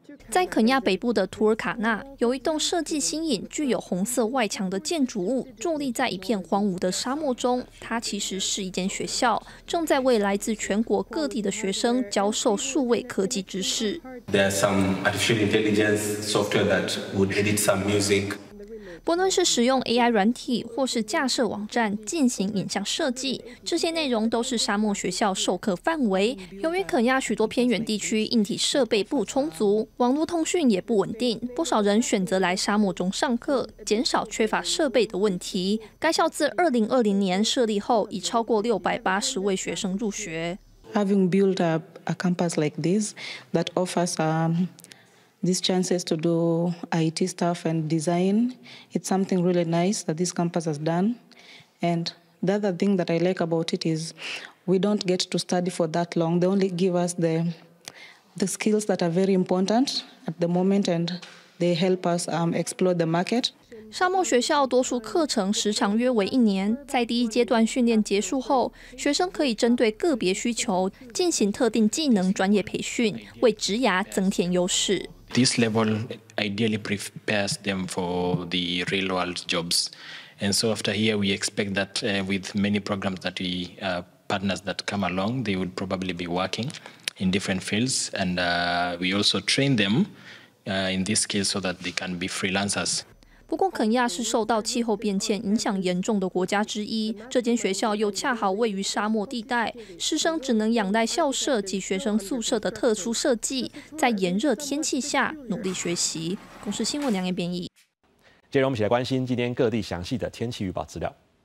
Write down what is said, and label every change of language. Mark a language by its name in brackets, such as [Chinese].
[Chinese] 在肯亚北部的图尔卡纳，有一栋设计新颖、具有红色外墙的建筑物，伫立在一片荒芜的沙漠中。它其实是一间学校，正在为来自全国各地的学生教授数位科技知识。 [English] There's some artificial intelligence software that would edit some music. [Chinese] 不论是使用 AI 软体或是架设网站进行影像设计，这些内容都是沙漠学校授课范围。由于肯亚许多偏远地区硬体设备不充足，网络通讯也不稳定，不少人选择来沙漠中上课，减少缺乏设备的问题。该校自2020年设立后，已超过680位学生入学。 [English] Having built up a campus like this that offers these chances to do IT stuff and design, it's something really nice that this campus has done. And the other thing that I like about it is we don't get to study for that long. They only give us the skills that are very important at the moment, and they help us explore the market. [Chinese] 沙漠学校多数课程时长约为一年，在第一阶段训练结束后，学生可以针对个别需求进行特定技能专业培训，为职涯增添优势。 [English] This level ideally prepares them for the real world jobs, and so after here we expect that with many programs that we partners that come along, they would probably be working in different fields, and we also train them in this case so that they can be freelancers. [Chinese] 不过肯亚是受到气候变迁影响严重的国家之一，这间学校又恰好位于沙漠地带，师生只能仰赖校舍及学生宿舍的特殊设计，在炎热天气下努力学习。公视新闻梁彦编译。接着我们一起来关心今天各地详细的天气预报资料。